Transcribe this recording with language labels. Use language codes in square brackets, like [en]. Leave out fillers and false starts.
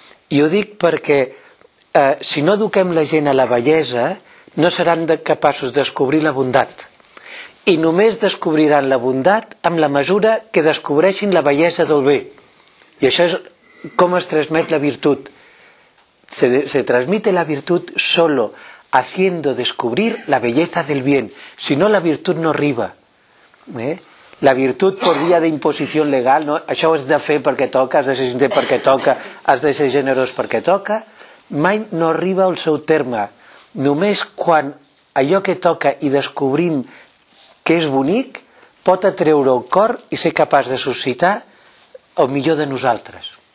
[ca] I ho dic perquè, si no eduquem la gent a la bellesa, no seran capaços de descobrir la bondat. I només descobriran la bondat amb la mesura que descobreixin la bellesa del bé. I això és com es transmet la virtut. [es] Se transmite la virtud solo haciendo descubrir la belleza del bien. Si no, la virtud no arriba. La virtud por vía de imposición legal, ¿no? [ca] Això ho has de fer perquè toca, has de ser sincer perquè toca, has de ser generós perquè toca, mai no arriba al seu terme. Només quan allò que toca i descobrim que és bonic, pot atreure el cor i ser capaç de suscitar el millor de nosaltres.